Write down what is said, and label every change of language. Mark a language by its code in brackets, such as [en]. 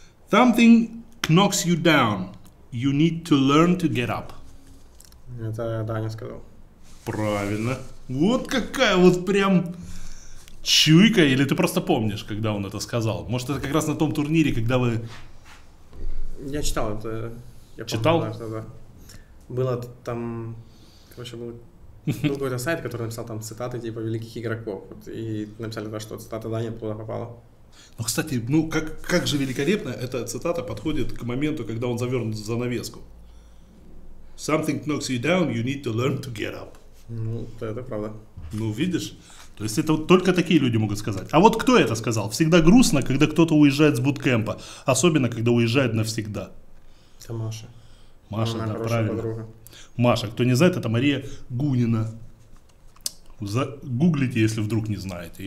[en] Something knocks you down. You need to learn to get up. [ru] Это Даня сказал. Правильно. Вот какая вот прям чуйка. Или ты просто помнишь, когда он это сказал? Может, это как раз на том турнире, когда вы... Я читал это. Я читал? Помню, да, было там... Короче, был какой-то сайт, который написал там цитаты типа великих игроков. Вот, и написали, что цитата Даня туда попала. Ну, кстати, ну как же великолепно эта цитата подходит к моменту, когда он завернут за занавеску. [en] Something knocks you down, you need to learn to get up. [ru] Ну, это правда. Ну, видишь? То есть это вот только такие люди могут сказать. А вот кто это сказал? Всегда грустно, когда кто-то уезжает с буткемпа. Особенно, когда уезжает навсегда. Это Маша. Маша, она, да, правильно. Подруга. Маша, кто не знает, это Мария Гунина. Загуглите, если вдруг не знаете.